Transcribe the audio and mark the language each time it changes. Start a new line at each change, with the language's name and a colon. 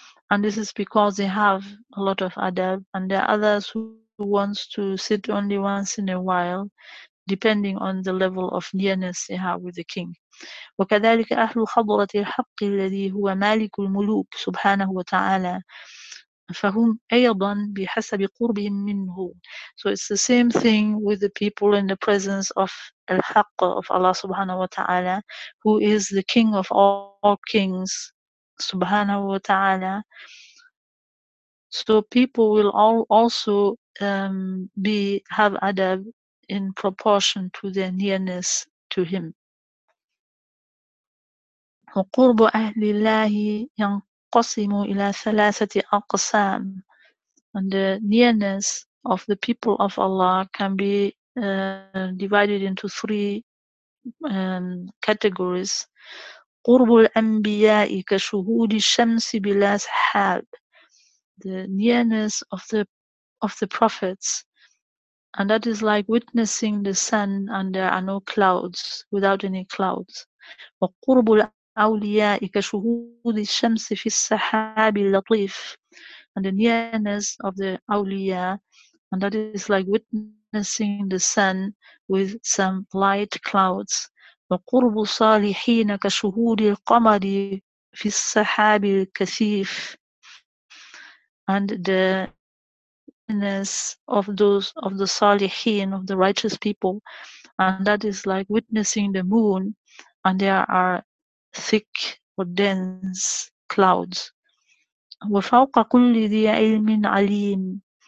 English: And this is because they have a lot of adab, and there are others who wants to sit only once in a while, depending on the level of nearness they have with the king.
Arabic: وكذلك أهل حضرة الحق الذي هو مالك الملوك سبحانه وتعالى فهم أيضا بحسب قربهم منه.
English: So it's the same thing with the people in the presence of الحق of Allah subhanahu wa ta'ala, who is the king of all kings subhanahu wa ta'ala. So people will all also have adab in proportion to their nearness to him.
Arabic: وقرب أهل الله ينقسم إلى ثلاثة أقسام.
English: And the nearness of the people of Allah can be divided into three categories.
Arabic: قرب الأنبياء كشهود الشمس بلا سحاب.
English: The nearness of the prophets, and that is like witnessing the sun and there are no clouds, without any clouds.
Arabic: وقرب الأولياء كشهود الشمس في السحاب اللطيف.
English: And the nearness of the awliya, and that is like witnessing the sun with some light clouds.
Arabic: وقرب الصالحين كشهود القمر في السحاب الكثيف.
English: And the nearness of those of the salihin, of the righteous people, and that is like witnessing the moon, and there are thick or dense clouds.
Arabic: وفوق كل ذي علم عليم.